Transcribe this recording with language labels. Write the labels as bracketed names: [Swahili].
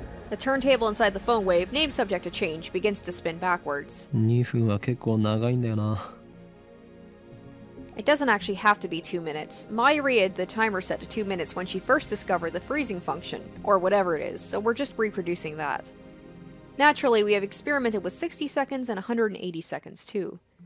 [English] The turntable inside the phone wave, name subject to change, begins to spin backwards. [Japanese] 2分は結構長いんだよな。 [English] It doesn't actually have to be 2 minutes. Mayuri had the timer set to 2 minutes when she first discovered the freezing function, or whatever it is, so we're just reproducing that. Naturally, we have experimented with 60 seconds and 180 seconds too.